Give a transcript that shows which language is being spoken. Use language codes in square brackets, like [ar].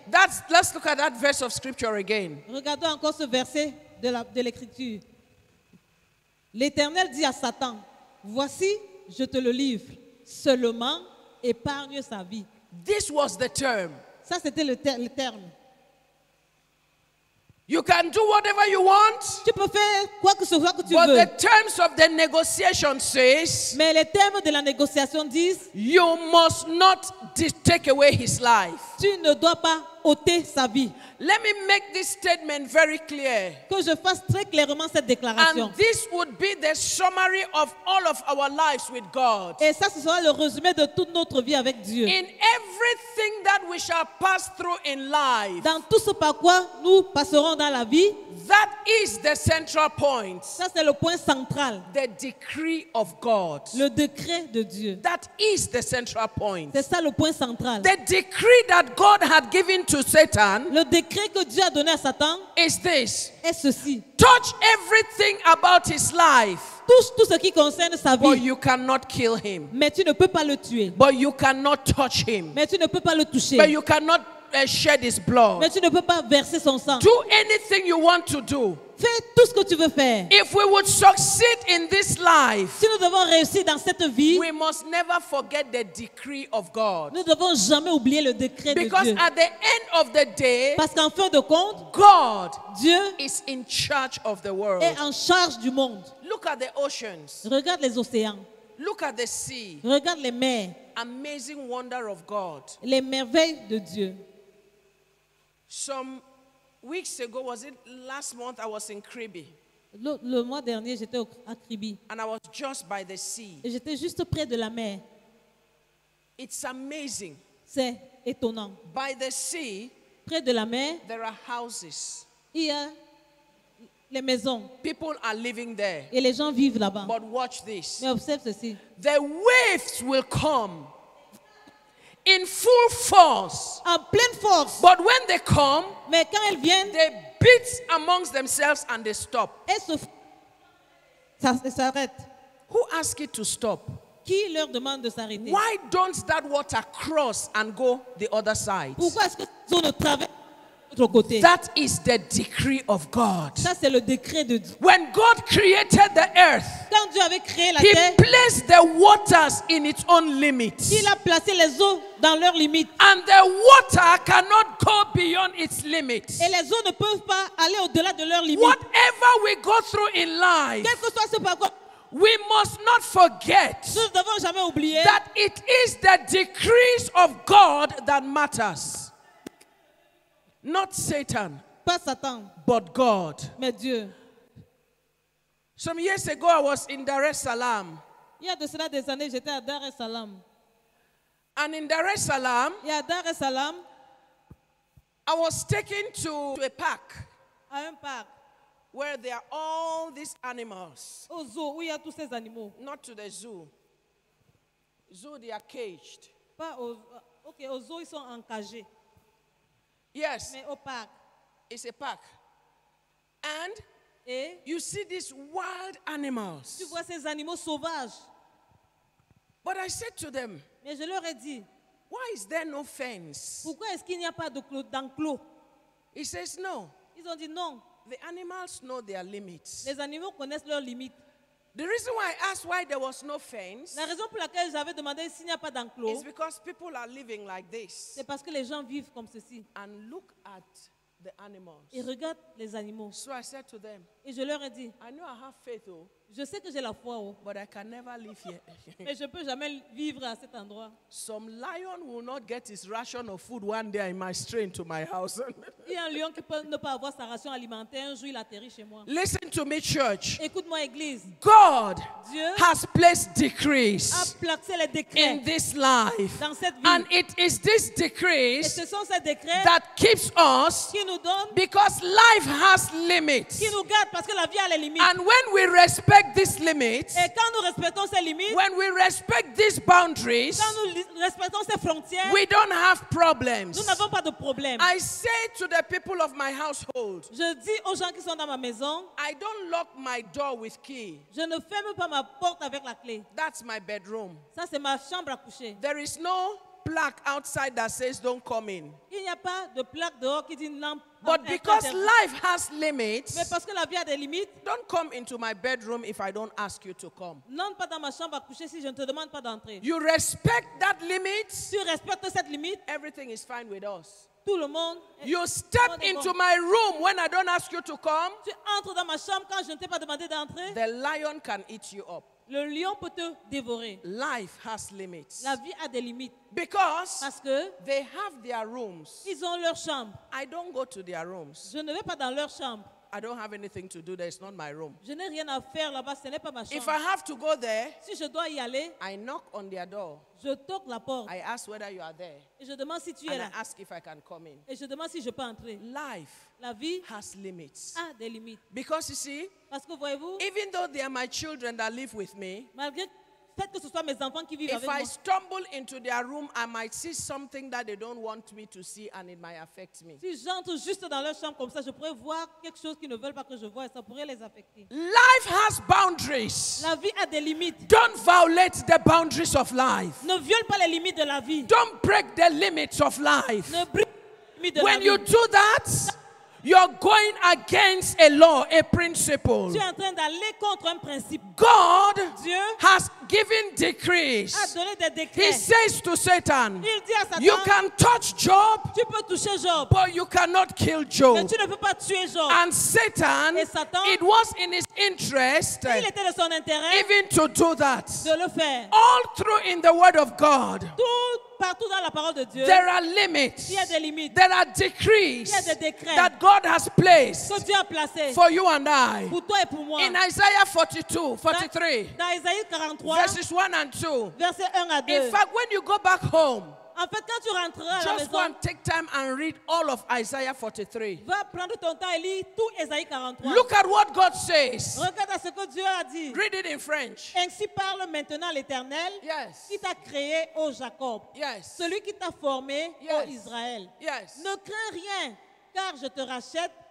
[en] That's, let's look at that verse of scripture again. [fr] Regardons encore ce verset de l'écriture. L'Éternel dit à Satan, voici, je te le livre, seulement épargne sa vie. [en] This was the term. [fr] Ça, c'était le terme. [en] You can do whatever you want. [fr] Tu peux faire quoi que ce soit que tu [en] but [fr] veux. [en] The terms of the negotiation says, [fr] mais les termes de la négociation disent, [en] you must not take away his life. [fr] Tu ne dois pas ôter sa vie. [en] Let me make this statement very clear. [fr] Que je fasse très clairement cette déclaration. [en] And this would be the summary of all of our lives with God. [fr] Et ça, ce sera le résumé de toute notre vie avec Dieu. [en] In everything that we shall pass through in life. [fr] Dans tout ce par quoi nous passerons dans la vie. [en] That is the central point. [fr] Ça, c'est le point central. [en] The decree of God. [fr] Le décret de Dieu. [en] That is the central point. [fr] C'est ça le point central. [en] The decree that God had given to Satan. [fr] Le décret que Dieu a donné à Satan [en] is this. [fr] Est ceci. [en] Touch everything about his life. [fr] Tout ce qui concerne sa vie. [en] But you cannot kill him. [fr] Mais tu ne peux pas le tuer. [en] But you cannot touch him. [fr] Mais tu ne peux pas le toucher. [en] But you cannot shed his blood. [fr] Mais tu ne peux pas verser son sang. [en] Do anything you want to do. [fr] Fais tout ce que tu veux faire. [en] If we would succeed in this life, [fr] si nous devons réussir dans cette vie, [en] we must never forget the decree of God. [fr] Nous devons jamais oublier le décret [en] because [fr] de Dieu. [en] At the end of the day, [fr] parce qu'en fin de compte, [en] God [fr] Dieu [en] is in charge of the world. [fr] Est en charge du monde. [en] Look at the oceans. [fr] Regarde les océans. [en] Look at the sea. [fr] Regarde les mers. [en] Amazing wonder of God. [fr] Les merveilles de Dieu. [en] Some weeks ago, was it last month, I was in Kribi. [fr] Le mois dernier, j'étais à Kribi. [en] And I was just by the sea. [fr] Et j'étais juste près de la mer. [en] It's amazing. [fr] C'est étonnant. [en] By the sea, [fr] près de la mer, [en] there are houses. [fr] Il y a les maisons. [en] People are living there. [fr] Et les gens vivent là-bas. [en] But watch this. [fr] Mais observe ceci. [en] The waves will come. In full force. [fr] En pleine force. [en] But when they come, [fr] mais quand elles viennent, [en] they beat amongst themselves and they stop. [fr] Ça s'arrête. [en] Who asked it to stop? [fr] Qui leur demande de s'arrêter? [en] Why don't that water cross and go the other side? [fr] Pourquoi est-ce que ça ne traverse côté. [en] That is the decree of God. [fr] Ça, c'est le décret de Dieu. [en] When God created the earth, [fr] quand Dieu avait créé la [en] he [fr] terre, [en] placed the waters in its own limits. [fr] Il a placé les eaux dans leurs limites. [en] And the water cannot go beyond its limits. [fr] Et les eaux ne peuvent pas aller au-delà de leurs limites. [en] Whatever we go through in life, [fr] quel que soit ce par quoi, [en] we must not forget [fr] nous ne devons jamais oublier [en] that it is the decrees of God that matters. Not Satan, [fr] pas Satan, [en] but God. [fr] Mais Dieu. [en] Some years ago, I was in Dar es Salaam. [fr] Il y a de cela des années, j'étais à Dar es Salaam. [en] And in Dar es Salaam, [fr] et à Dar es Salaam, [en] I was taken to a park. [fr] À un parc. [en] Where there are all these animals. [fr] Au zoo, où il y a tous ces animaux. [en] Not to the zoo. Zoo, they are caged. [fr] Pas au zoo, ils sont encagés. [en] Yes. [fr] Mais au parc. [en] It's a park. And [fr] et [en] you see these wild animals. [fr] Tu vois ces animaux sauvages. [en] But I said to them, [fr] mais je leur ai dit, [en] why is there no fence? [fr] Pourquoi est-ce qu'il n'y a pas d'enclos? [en] He says no. [fr] Ils ont dit non. [en] The animals know their limits. [fr] Les animaux connaissent leurs limites. [en] The reason why I asked why there was no fence, [fr] la raison pour laquelle j'avais demandé s'il n'y a pas d'enclos, [en] is because people are living like this. [fr] C'est parce que les gens vivent comme ceci. [en] And look at the animals. [fr] Et regarde les animaux. [en] So I said to them, [fr] et je leur ai dit, [en] I know I have faith, oh, [fr] je sais que j'ai la foi, oh, [en] but I can never live here. [fr] Mais je peux jamais vivre à cet endroit. [en] Some lion will not get his ration of food one day in my stray into my house. [fr] Il y a un lion qui peut ne pas avoir sa ration alimentaire un jour il atterrit chez moi. [en] Listen to me, church. [fr] Écoute-moi, église. [en] God, [fr] Dieu, [en] has placed decrees, [fr] a placé les décrets [en] in this life, [fr] dans cette vie, [en] and it is this decrees, [fr] et ce sont ces décrets [en] that keeps us, [fr] qui nous donne, [en] because life has limits, [fr] qui nous garde parce que la vie a les limites, [en] and when we respect these limits, [fr] et quand nous respectons ces limites, [en] when we respect these boundaries, [fr] quand nous respectons ces frontières, [en] we don't have problems. [fr] Nous n'avons pas de problèmes. [en] I say to the people of my household, [fr] je dis aux gens qui sont dans ma maison, [en] I don't lock my door with key. [fr] Je ne ferme pas ma porte avec la clé. [en] That's my bedroom. [fr] Ça, c'est ma chambre à coucher. [en] There is no plaque outside that says don't come in. [fr] Il n'y a pas de plaque dehors qui dit non. [en] But because life has limits, [fr] mais parce que la vie a des limites, [en] don't come into my bedroom if I don't ask you to come. [fr] N'entre pas dans ma chambre à coucher si je ne te demande pas d'entrer. [en] You respect that limit, [fr] tu respectes cette limite, [en] everything is fine with us. [fr] Tout le monde, [en] you step into my room when I don't ask you to come. [fr] Tu entres dans ma chambre quand je ne t'ai pas demandé d'entrer. [en] The lion can eat you up. [fr] Le lion peut te dévorer. [en] Life has limits. [fr] La vie a des limites. [en] Because, [fr] parce que, [en] they have their rooms. [fr] Ils ont leur chambre. [en] I don't go to their rooms. [fr] Je ne vais pas dans leur chambre. [en] I don't have anything to do there. It's not my room. [fr] Je n'ai rien à faire là-bas. Ce n'est pas ma chambre. [en] If I have to go there, [fr] si je dois y aller, [en] I knock on their door. [fr] Je toque la porte. [en] I ask whether you are there. [fr] Et je demande si tu es là. [en] And I ask if I can come in. [fr] Et je demande si je peux entrer. [en] Life, [fr] la vie, [en] has limits. [fr] A des limites. [en] Because you see, [fr] parce que voyez-vous, [en] even though they are my children that live with me, [fr] malgré fait que ce soit mes enfants qui vivent [en] if [fr] avec moi, [en] if I stumble into their room, I might see something that they don't want me to see, and it might affect me. [fr] Si j'entre juste dans leur chambre comme ça, je pourrais voir quelque chose qu'ils ne veulent pas que je voie, et ça pourrait les affecter. [en] Life has boundaries. [fr] La vie a des limites. [en] Don't violate the boundaries of life. [fr] Ne viole pas les limites de la vie. [en] Don't break the limits of life. [fr] Ne brise les limites de la [en] vie. When you do that, you're going against a law, a principle. [fr] Tu es en train d'aller contre un principe. [en] God, [fr] Dieu, [en] has given decrees. [fr] A donné des décrets. [en] He says to Satan, [fr] il dit à Satan, [en] you can touch Job, [fr] tu peux toucher Job, [en] but you cannot kill Job. [fr] Mais tu ne peux pas tuer Job. [en] And Satan, [fr] et Satan, [en] it was in his interest, [fr] il était de son intérêt, [en] even to do that. [fr] De le faire. [en] All through in the word of God, [fr] tout partout dans la parole de Dieu, [en] there are limits. [fr] Il y a des limites. [en] There are decrees. [fr] Il y a des décrets. [en] That God has placed, [fr] que Dieu a placé, [en] for you and I. [fr] Pour toi et pour moi. [en] In Isaiah 42, 43. [fr] Dans Isaïe 43. [en] Verses 1 and 2. [fr] Verset 1 à 2. [en] In fact, when you go back home, [fr] en fait, quand tu rentreras à la [en] maison, just go and take time and read all of Isaiah 43. [fr] Va prendre ton temps et lis tout Isaïe 43. [en] Look at what God says. [fr] Regarde à ce que Dieu a dit. [en] Read it in French. [fr] Ainsi parle maintenant l'Éternel, [en] yes, [fr] qui t'a créé, ô Jacob, [en] yes, [fr] celui qui t'a formé, [en] yes, [fr] ô Israël. [en] Yes. [fr] Ne crains rien, car je te rachète.